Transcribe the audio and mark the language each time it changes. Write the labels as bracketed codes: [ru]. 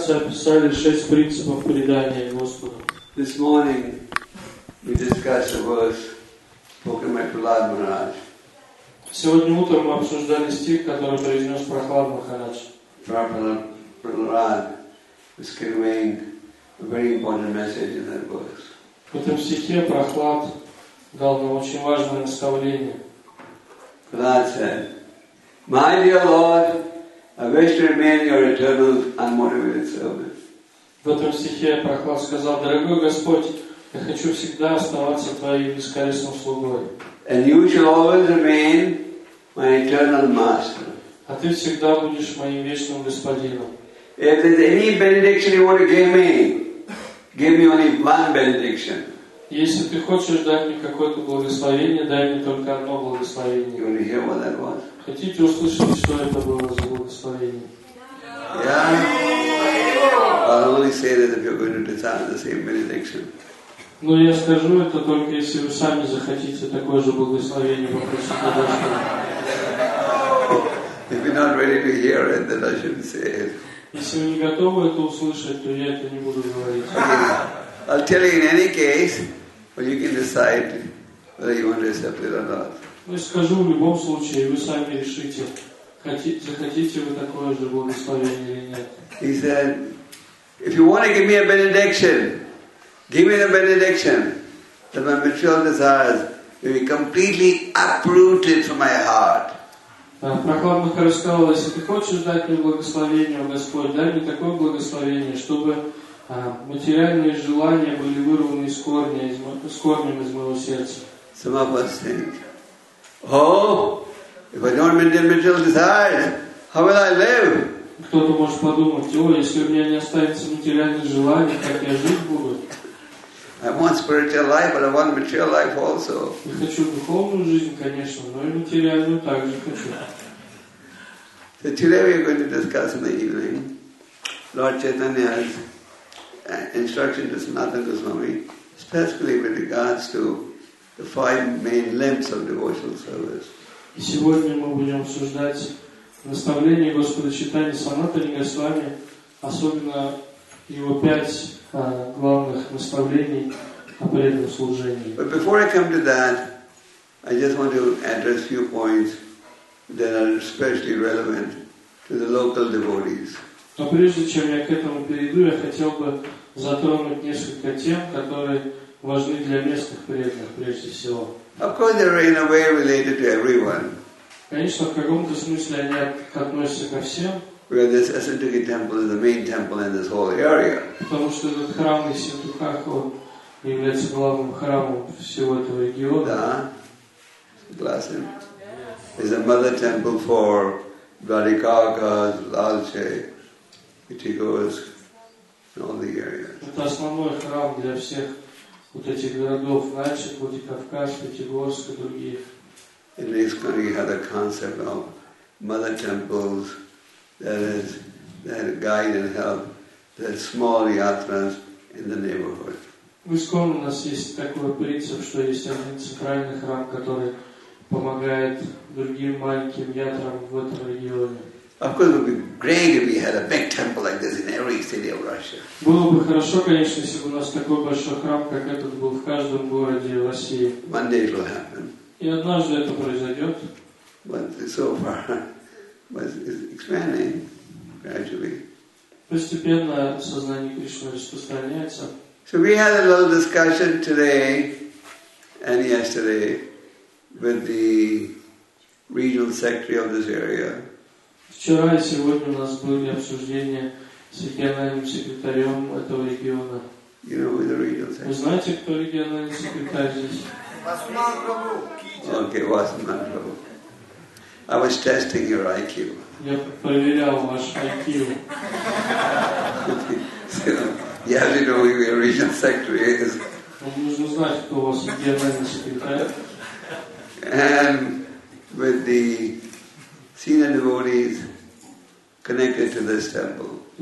[ru] Писали шесть принципов предания Господу. [en] This morning we discussed the verse spoken by Prahlad Maharaj. [ru] Сегодня утром мы обсуждали стих, который произнес Прахлад Махарадж. [en] Prahlad is conveying a very important message in that verse. [ru] В этом стихе Прахлад дал нам очень важное наставление. [en] Prahlad said, "My dear Lord, I wish to remain your eternal unmotivated servant." [ru] В этом стихе Прохлад сказал: «Дорогой Господь, я хочу всегда оставаться Твоим бескорыстным слугой». [en] And you shall always remain my eternal master. [ru] А Ты всегда будешь моим вечным господином. [en] If there's any benediction you want to give me only one benediction. [ru] Если Ты хочешь дать мне какое-то благословение, дай мне только одно благословение. [en] You want to hear what that was? [ru] Хотите услышать, что это было за благословение? [en] Yeah. I'll only say that if you're going to desire the same benediction. [ru] Но я скажу это только если вы сами захотите такое же благословение попросить у Господа. [en] If you're not ready to hear it, then I shouldn't say it. [ru] Если вы не готовы это услышать, то я это не буду говорить. [en] I'll tell you in any case, but you can decide whether you want to accept it or not. [ru] Ну и скажу в любом случае, вы сами решите. Захотите вы такое же благословение или нет? [en] He said, "If you want to give me a benediction, give me the benediction that my material desires will be completely uprooted from my heart." [ru] Прохлад Махарадж сказал, если ты хочешь дать мне благословение, Господь, дай мне такое благословение, чтобы материальные желания были вырваны с корнем из моего сердца. [en] Some of us think, "Oh, if I don't maintain material desires, how will I live?" [ru] Кто-то может подумать, о, если у меня не останется материальных желаний, как я жить буду? [en] I want spiritual life, but I want material life also. [ru] Я хочу духовную жизнь, конечно, но и материальную также хочу. [en] So today we are going to discuss in the evening Lord Chaitanya's instruction to Sanatana Goswami, especially with regards to the five main limbs of devotional service. [ru] И сегодня мы будем обсуждать наставление Господа Чайтаньи Санатани Госвами, особенно его пять главных наставлений о преданном служении. [en] But before I come to that, I just want to address few points that are especially relevant to the local devotees. [ru] Но прежде чем я к этому перейду, я хотел бы затронуть несколько тем, которые важны для местных преданных прежде всего. [en] Of course, they are in a way related to everyone. [ru] Конечно, в каком-то смысле они относятся ко всем. [en] Because this Asatukhi temple is the main temple in this whole area. [ru] Потому что этот храм Исиндухаха является главным храмом всего этого региона. Да, согласен. [en] It's a mother temple for Dwarikakas, Lalche, Itigos, and all the areas. [ru] Это основной храм для всех. Вот этих городов, Нальчик, Владикавказ, Пятигорск и других. [en] In this country, you have a concept of mother temples that guide and help the small yatras in the neighborhood. [ru] В Искон у нас есть такой принцип, что есть один центральный храм, который помогает другим маленьким ятрам в этом регионе. [en] Of course, it would be great if we had a big temple like this in every city of Russia. [ru] Было бы хорошо, конечно, если бы у нас такой большой храм, как этот, был в каждом городе России. [en] One day it will happen. [ru] И однажды это произойдет. [en] But so far, it's expanding gradually. [ru] Постепенно сознание Кришны распространяется. [en] So we had a little discussion today and yesterday with the regional secretary of this area. [ru] Вчера и сегодня у нас были обсуждения с региональным секретарем этого региона. [en] You know who the regional secretary? [ru] Вы знаете, кто региональный секретарь здесь? Васуман Прабу. [en] Okay, Васуман Прабу. I was testing your IQ. [ru] Я проверял ваш IQ. [en] You have to know who your regional secretary is. [ru] Вам нужно знать, кто у вас региональный секретарь. [en] And with the senior devotees connected to this temple.